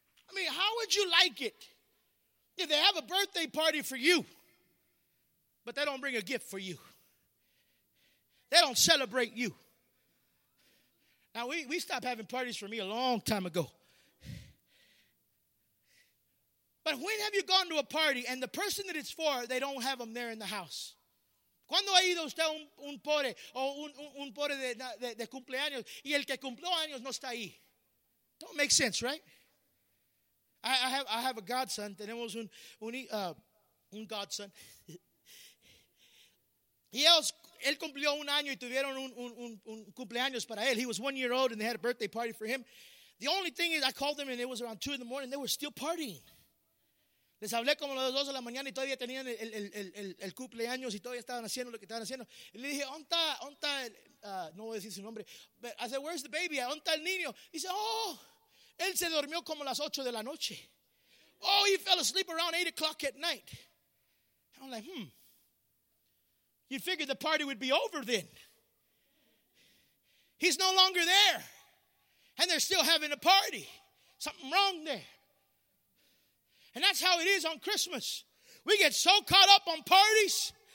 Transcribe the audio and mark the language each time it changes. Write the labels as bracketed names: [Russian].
[English] I mean, how would you like it if they have a birthday party for you, but they don't bring a gift for you? They don't celebrate you. Now, we stopped having parties for me a long time ago. But when have you gone to a party and the person that it's for, they don't have them there in the house? [Spanish] ¿Cuándo ha ido usted a un pobre o un pobre de cumpleaños y el que cumplió años no está ahí? [English] Don't make sense, right? I have a godson. [Spanish] Tenemos un godson. Y él cumplió un año y tuvieron un cumpleaños para él. [English] He was 1 year old and they had a birthday party for him. The only thing is, I called them and it was around 2 in the morning. They were still partying. [Spanish] Les hablé como los 2 de la mañana y todavía tenían el cumpleaños y todavía estaban haciendo lo que estaban haciendo. Y le dije, onta, no voy a decir su nombre. [English] But I said, where's the baby? [Spanish] Onta el niño. [English] He said, oh, [Spanish] él se durmió como las 8 de la noche. [English] Oh, he fell asleep around 8 o'clock at night. I'm like, You figured the party would be over then. He's no longer there. And they're still having a party. Something wrong there. And that's how it is on Christmas. We get so caught up on parties.